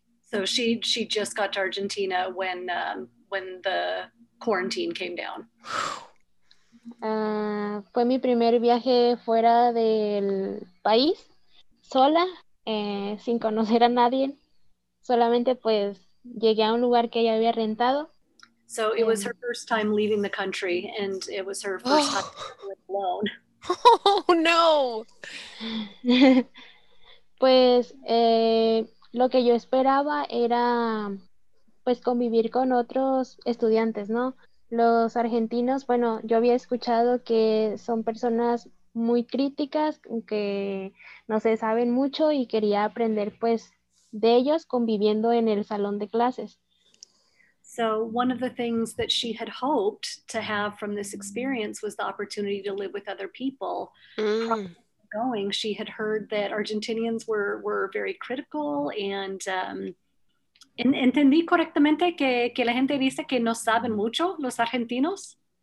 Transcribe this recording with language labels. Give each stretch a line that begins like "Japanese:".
English: So she just got to Argentina when the quarantine came down.
Spanish: Fue mi primer viaje fuera del país, sola, sin conocer a nadie. Solamente pues llegué a un lugar que ella había rentado.
English: So it was her first time leaving the country, and it was her first time living alone. Oh no.
Spanish: Pues lo que yo esperaba era pues convivir con otros estudiantes, ¿no? Los argentinos, bueno, yo había escuchado que son personas muy críticas, que no se saben mucho y quería aprender pues de ellos conviviendo en el salón de clases.
English: So one of the things that she had hoped to have from this experience was the opportunity to live with other people. Going, she had heard that Argentinians were very critical and
Spanish: entendí correctamente que la gente dice que no saben mucho los argentinos.